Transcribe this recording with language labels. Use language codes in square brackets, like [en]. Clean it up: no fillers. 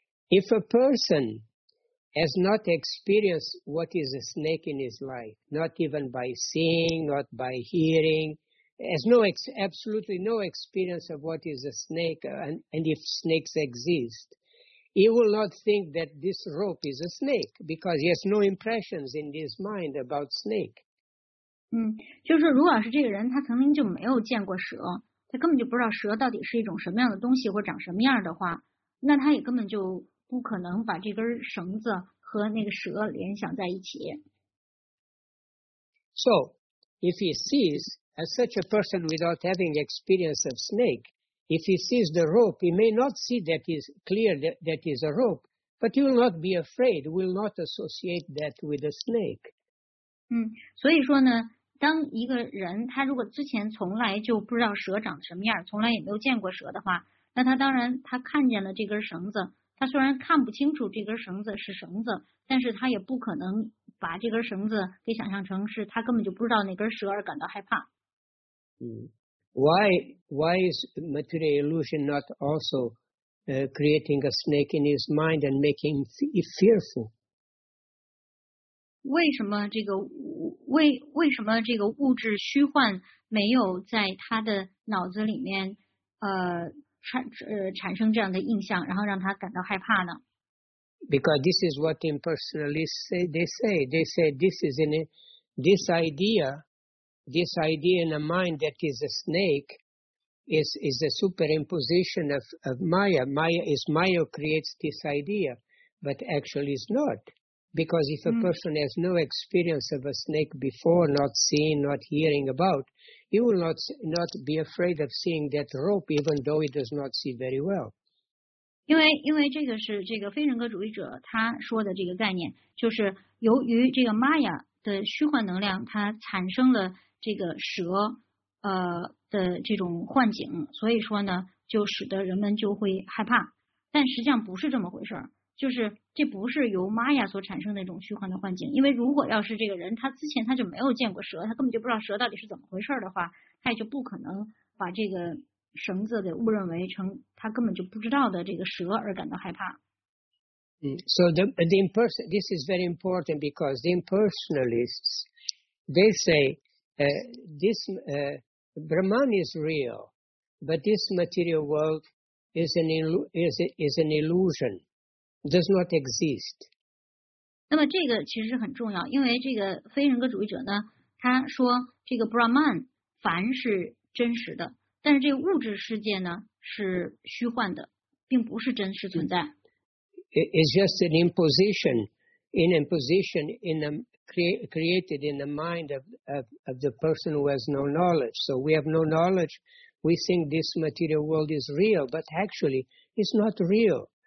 [en] If a person has not experienced what is a snake in his life, not even by seeing, not by hearing, has no absolutely no experience of what is a snake and if snakes exist, he will not think that this rope is a snake because he has no impressions in his mind about snake. [zh] 就是如果是这个人他曾经就没有见过蛇，他根本就不知道蛇到底是一种什么样的东西或长什么样的话，那他也根本就不可能把这根绳子和那个蛇联想在一起。 [en] So if he sees as such a person without having experience of snake, if he sees the rope, he may not see that is clear that is a rope, but he will not be afraid, will not associate that with a snake. [zh] 所以说呢，当一个人他如果之前从来就不知道蛇长什么样，从来也没有见过蛇的话，那他当然他看见了这根绳子，他虽然看不清楚这根绳子是绳子，但是他也不可能把这根绳子给想象成是他根本就不知道那根蛇而感到害怕。 [en] Why is material illusion not also creating a snake in his mind and making him fearful? [zh] 为什么这个物质虚幻没有在他的脑子里面产生这样的印象，然后让他感到害怕呢？ [en] Because this is what impersonalists say. They say this idea in a mind that is a snake is a superimposition of Maya. Maya is Maya creates this idea, but actually is not. Because if a person has no experience of a snake before, not seeing, not hearing about, he will not be afraid of seeing that rope, even though he does not see very well. [zh] 因为这个是这个非人格主义者他说的这个概念，就是由于这个 Maya 的虚幻能量，它产生了这个蛇的这种幻景，所以说呢，就使得人们就会害怕，但实际上不是这么回事儿。就是这不是由玛雅所产生的一种虚幻的幻境，因为如果要是这个人他之前他就没有见过蛇，他根本就不知道蛇到底是怎么回事的话，他也就不可能把这个绳子给误认为成他根本就不知道的这个蛇而感到害怕。 [en] So the imperson, this is very important because the impersonalists, they say, this Brahman is real, but this material world is an illusion, does not exist. [zh] 那么这个其实很重要，因为这个非人格主义者呢，他说这个 Brahman 凡是真实的，但是这个物质世界呢是虚幻的，并不是真实存在。 [en] It's just an imposition, an imposition in the created in the mind of the person who has no knowledge. So we have no knowledge. We think this material world is real, but actually it's not real.